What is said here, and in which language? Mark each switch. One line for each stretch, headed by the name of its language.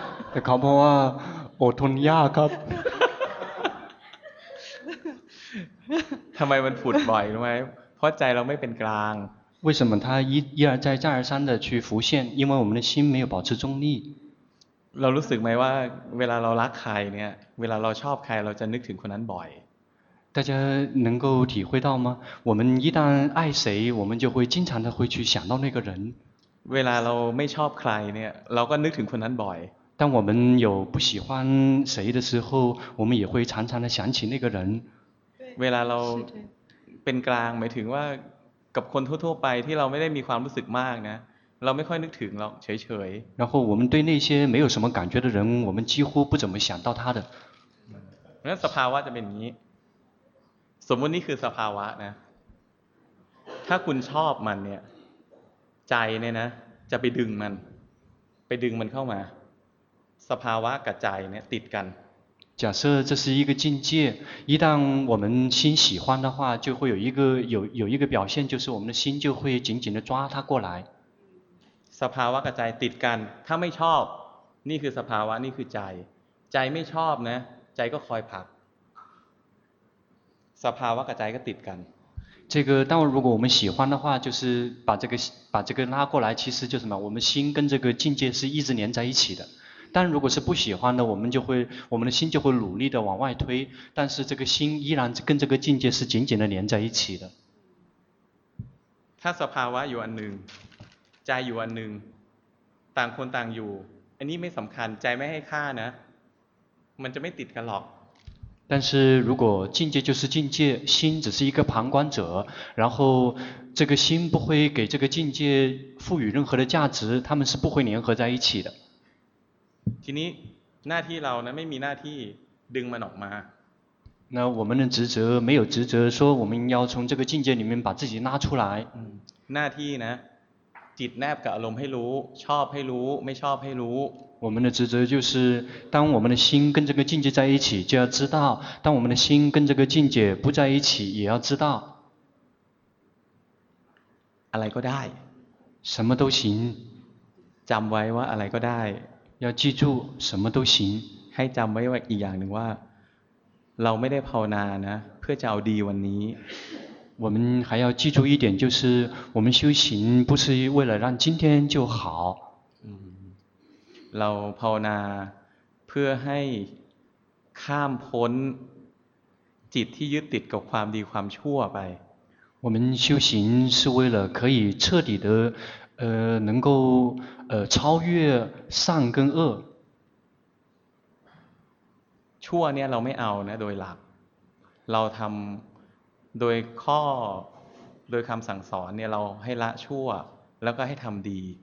Thai: แต่เขาบอกว่าอดทนยากครับ ทำไมมันผุดบ่อยรู้ไหมเพราะใจเราไม่เป็นกลาง
Chinese: 为什么它一而再再而三的去浮现因为我们的心没有保持中立
Thai: เรารู้สึกไหมว่าเวลาเรารักใครเนี่ยเวลาเราชอบใครเราจะนึกถึงคนนั้นบ่อย
Chinese: 大家能够体会到吗我们一旦爱谁我们就会经常的会去想到那个人
Thai: เวลาเราไม่ชอบใครเนี่ยเราก็นึกถึงคนนั้นบ่อย
Chinese: 当我们有不喜欢谁的时候我们也会常常的想起那个人
Thai: เวลาเราเป็นกลางหมายถึงว่ากับคนทั่วๆไปที่เราไม่ได้มีความรู้สึกมากนะเราไม่ค่อยนึกถึงหรอกเฉย
Chinese: ๆ然后我们对那些没有什么感觉的人我们几乎不怎么想到他的
Thai: งั้นสภาวะจะเป็นอย่างนี้สมมตินี่คือสภาวะนะถ้าคุณชอบมันเนี่ยใจเนี่ยนะจะไปดึงมันไปดึงมันเข้ามาสภาวะกับใจเนี่ยติดกัน
Chinese: 假设这是一个境界，一旦我们心喜欢的话，就会有一个表现，就是我们的心就会紧紧的抓它过来。
Thai: สภาวะกับใจติดกัน，ถ้าไม่ชอบ，นี่คือสภาวะ，นี่คือใจ。 ใจไม่ชอบนะ，ใจก็คอยผลัก。 สภาวะกับใจก็ติดกัน。
Chinese: 这个，但如果我们喜欢的话，就是把这个拉过来，其实就是什么，我们心跟这个境界是一直连在一起的。但如果是不喜欢的，我们的心就会努力的往外推，但是这个心依然跟这个境界是紧紧的连在一起的。
Thai: ถ้าสภาวะอยู่อันหนึ่งใจอยู่อันหนึ่งต่างคนต่างอยู่อันนี้ไม่สำคัญใจไม่ให้ค่านะมันจะไม่ติดกันหรอก
Chinese: 但是如果境界就是境界，心只是一个旁观者，然后这个心不会给这个境界赋予任何的价值，他们是不会联合在一起的。
Thai: ทีนี้หน้าที่เรานะไม่มีหน้าที่ดึงมันออกมา
Chinese: 那我们的职责没有职责说我们要从这个境界里面把自己拉出来
Thai: หน้าที่นะจิตแนบกับอารมณ์ให้รู้ชอบให้รู้ไม่ชอบให้รู้
Chinese: 我们的职责就是当我们的心跟这个境界在一起就要知道当我们的心跟这个境界不在一起也要知道
Thai: อะไรก็ได้
Chinese: 什么都行
Thai: จำไว้ว่าอะไรก็ได้
Chinese: 要记住什么都行
Thai: ให้จำไว้อีกอย่างหนึ่งว่าเราไม่ได้ภาวนานะเพื่อจะเอาดีวันนี้
Chinese: 我们还要记住一点就是我们修行不是为了让今天就好
Thai: เราภาวนาเพื่อให้ข้ามพ้นจิตที่ยึดติดกับความดีความชั่วไป
Chinese: 我们修行是为了可以彻底的能够超越善跟恶
Thai: ชั่วเนี่ยเราไม่เอานะโดยหลักเราทำโดยข้อโดยคำสั่งสอนเนี่ยเราให้ละชั่วแล้วก็ให้ทำดี